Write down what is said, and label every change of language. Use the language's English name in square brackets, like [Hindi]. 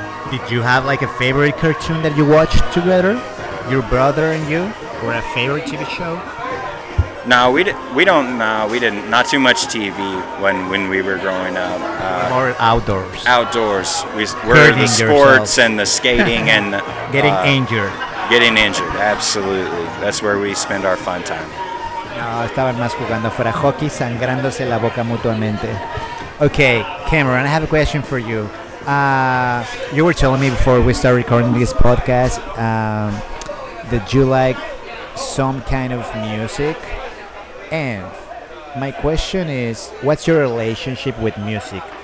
[English] Did you have like a favorite cartoon that you watched together, your brother and you? Or a favorite TV show? No, we didn't. Not too much TV when we were growing up. More outdoors. Outdoors. We were the sports and the skating and getting injured. Getting injured, absolutely. That's where we spend our fun time. [Spanish] No, estaban más jugando fuera hockey, sangrándose la boca mutuamente. [English] Okay, Cameron, I have a question for you. You were telling me before we start recording this podcast that you like some kind of music, and my question is, what's your relationship with music?